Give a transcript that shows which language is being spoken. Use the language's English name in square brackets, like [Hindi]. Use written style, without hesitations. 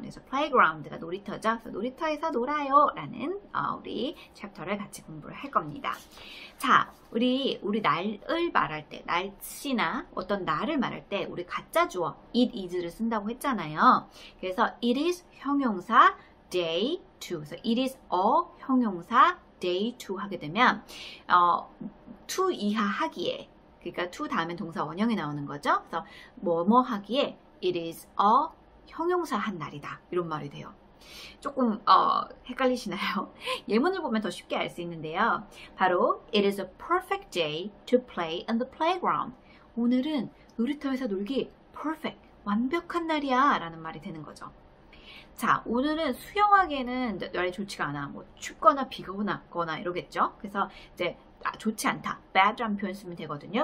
[Korean] 그래서 playground가 놀이터죠. 그래서 놀이터에서 놀아요라는 우리 챕터를 같이 공부를 할 겁니다. 자, 우리 날을 말할 때, 날씨나 어떤 날을 말할 때 우리 가짜 주어 it is를 쓴다고 했잖아요. 그래서 it is 형용사 day 2. So it is a 형용사 day 2 하게 되면 to 이하 하기에, 그러니까 to 다음에 동사 원형이 나오는 거죠. 그래서 뭐뭐 하기에 it is a 형용사 한 날이다, 이런 말이 돼요. 조금 헷갈리시나요? 예문을 보면 더 쉽게 알수 있는데요. [English] 바로 it is a perfect day to play in the playground. [Korean] 오늘은 놀이터에서 놀기 perfect, 완벽한 날이야 라는 말이 되는 거죠. 자, 오늘은 수영하기에는 날이 좋지가 않아. 뭐 춥거나 비가 오거나 이러겠죠? 그래서 이제 좋지 않다, bad라는 표현 쓰면 되거든요.